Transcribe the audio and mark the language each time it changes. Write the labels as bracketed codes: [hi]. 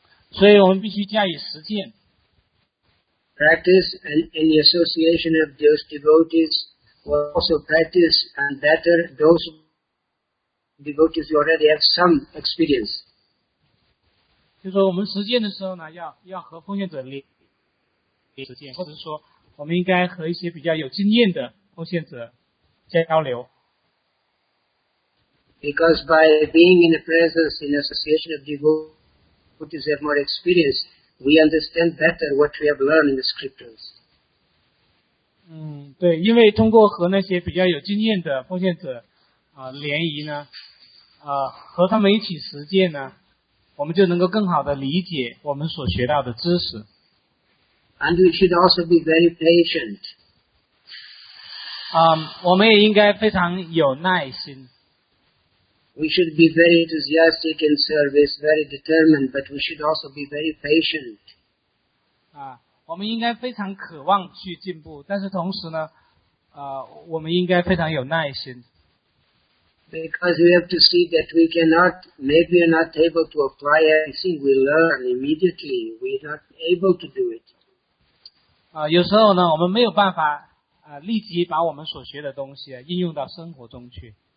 [zh] 所以我们必须加以实践。 [en] Practice and in the association of those devotees, will also practice and better those devotees who already have some experience. [zh] 就是说我们实践的时候呢要和奉献者联实践，或者说我们应该和一些比较有经验的奉献者交流。 [en] Because by being in the presence in association of devotees have more experience, we understand better what we have learned in the scriptures. [zh] 对，因为通过和那些比较有经验的奉献者联谊呢和他们一起实践呢，我们就能够更好的理解我们所学到的知识。 [en] And we should also be very patient. [zh] 我们也应该非常有耐心。 [en] We should be very enthusiastic in service, very determined, but we should also be very patient. [zh] 我们应该非常渴望去进步，但是同时呢，我们应该非常有耐心。 [en] Because we have to see that we cannot, maybe we are not able to apply everything we learn immediately. We are not able to do it. [zh] 有时候呢，我们没有办法立即把我们所学的东西应用到生活中去。